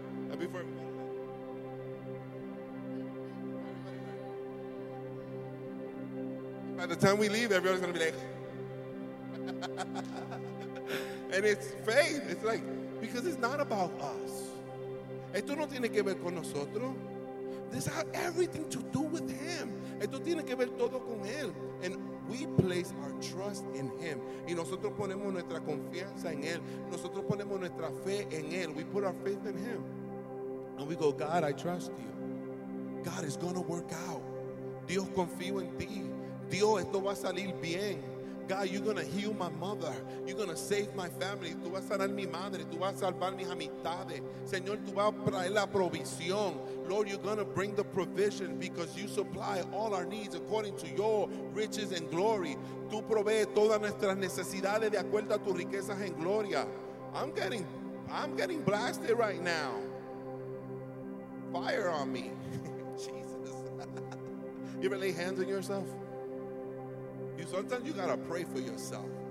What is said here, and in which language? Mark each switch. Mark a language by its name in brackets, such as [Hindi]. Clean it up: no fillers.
[English] And before, by the time we leave, everyone's going to be like, and it's faith. It's like, because it's not about us. [Spanish] Esto no tiene que ver con nosotros. [English] This has everything to do with him. [Spanish] Esto tiene que ver todo con él. [English] And we place our trust in him. [Spanish] Y nosotros ponemos nuestra confianza en él. Nosotros ponemos nuestra fe en él. [English] We put our faith in him. And we go, God, I trust you. God, it's going to work out. [Spanish] Dios, confío en ti. Dios, esto va a salir bien. [English] God, you're going to heal my mother. You're going to save my family. [Spanish] Tú vas a sanar mi madre. Tú vas a salvar mis amistades. Señor, tú vas a traer la provisión. [English] Lord, you're going to bring the provision because you supply all our needs according to your riches and glory. [Spanish] Tú provees todas nuestras necesidades de acuerdo a tus riquezas en gloria. [English] I'm getting blasted right now. Fire on me. Jesus. You ever lay hands on yourself? Sometimes you gotta pray for yourself.